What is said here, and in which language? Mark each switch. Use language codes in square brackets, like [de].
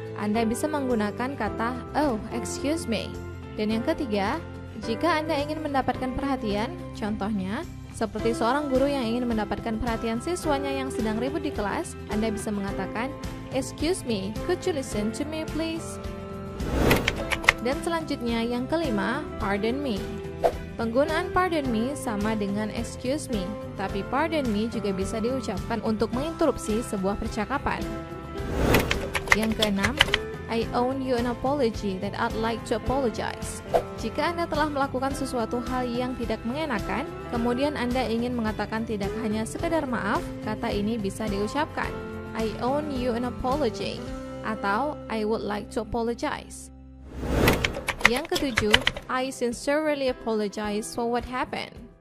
[id] Anda bisa menggunakan kata, oh, [en] excuse me. Dan yang ketiga, jika Anda ingin mendapatkan perhatian, contohnya, seperti seorang guru yang ingin mendapatkan perhatian siswanya yang sedang ribut di kelas, Anda bisa mengatakan, excuse me, could you listen to me, please? [id] Dan selanjutnya, yang kelima, pardon me. Penggunaan pardon me sama dengan excuse me, tapi pardon me juga bisa diucapkan untuk menginterupsi sebuah percakapan. Yang keenam, [en] I owe you an apology that I'd like to apologize. [id] Jika Anda telah melakukan sesuatu hal yang tidak mengenakan, kemudian Anda ingin mengatakan tidak hanya sekedar maaf, kata ini bisa diucapkan. [en] I owe you an apology, [id] atau [en] I would like to apologize. [id] Yang ketujuh, [en] I sincerely apologize for what happened.